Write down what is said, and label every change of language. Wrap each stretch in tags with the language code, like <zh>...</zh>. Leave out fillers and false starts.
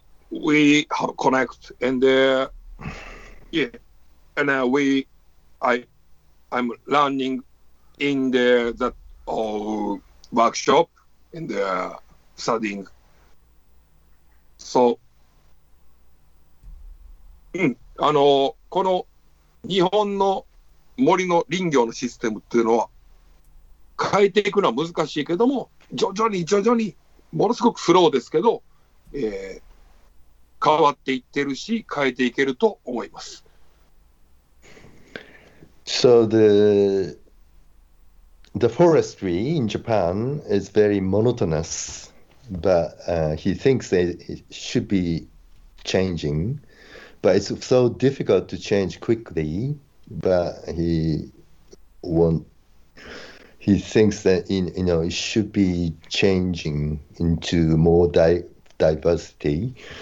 <en>We have connect, and I'm learning in workshop in the studying.</en> <ja>So この日本の森の林業のシステムっていうのは変えていくのは難しいけども、徐々にものすごくスローですけど、変わっていってるし変えていけると思います。</ja> <en>So the forestry in Japan is very monotonous, but he thinks that it should be changing. But it's so difficult to change quickly, but he thinks that it should be changing into more diversity.</en>